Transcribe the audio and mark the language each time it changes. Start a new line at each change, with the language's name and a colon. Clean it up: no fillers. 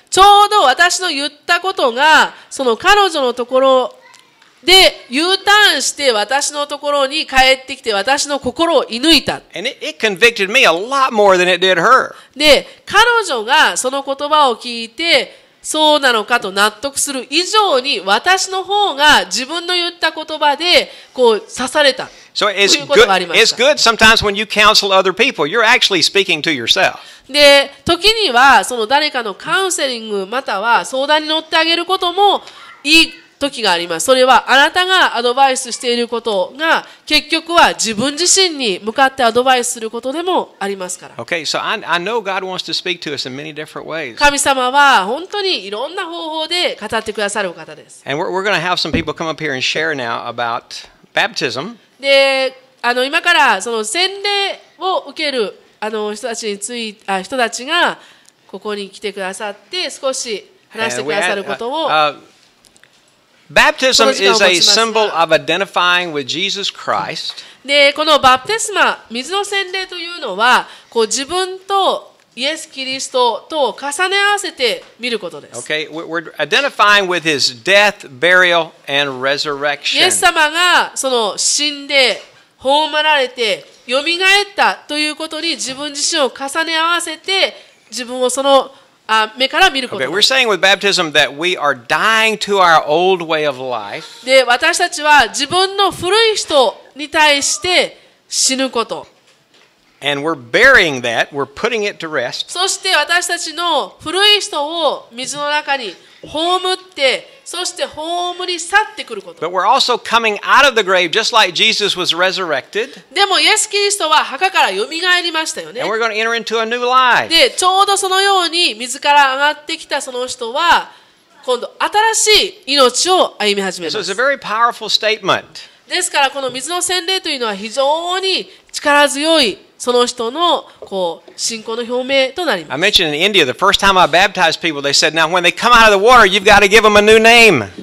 Japanese: ちょうど私の言ったことが、その彼女のところで U ターンして私のところに帰ってきて私の心を射抜いた。
English: And it convicted me a lot more than it did her.
Japanese: で、彼女がその言葉を聞いて、そうなのかと納得する以上に私の方が自分の言った言葉でこう刺されたということがありました。
English: It's good sometimes when you counsel other people. You're actually speaking to yourself.
Japanese: で、時にはその誰かのカウンセリングまたは相談に乗ってあげることもいい時があります。それはあなたがアドバイスしていることが結局は自分自身に向かってアドバイスすることでもありますから。
English: Okay, so I know God wants to speak to us in many different ways.
Japanese: 神様は本当にいろんな方法で語ってくださる方です。
English: And we're going to have some people come up here and share now about baptism.
Japanese: で、今からその洗礼を受ける人たちについ、人たちがここに来てくださって少し話してくださることを。
English: Baptism is a symbol of identifying with Jesus Christ.
Japanese: で、このバプテスマ、水の洗礼というのは、こう自分とイエス・キリストと重ね合わせて見ることです。
English: Okay, we're identifying with his death, burial, and resurrection.
Japanese: イエス様がその死んで葬られて蘇ったということに自分自身を重ね合わせて自分をその目から見ることです。
English: Okay, we're saying with baptism that we are dying to our old way of life.
Japanese: で、私たちは自分の古い人に対して死ぬこと。
English: And we're burying that, we're putting it to rest.
Japanese: そして私たちの古い人を水の中に葬って、そして葬り去ってくること。
English: But we're also coming out of the grave just like Jesus was resurrected.
Japanese: でも、イエス・キリストは墓から蘇りましたよね。
English: And we're going to enter into a new life.
Japanese: で、ちょうどそのように水から上がってきたその人は、今度新しい命を歩み始めます。
English: So it's a very powerful statement.
Japanese: ですから、この水の洗礼というのは非常に力強いその人のこう信仰の表明となります。
English: I mentioned in India, the first time I baptized people, they said, now when they come out of the water, you've got to give them a new name.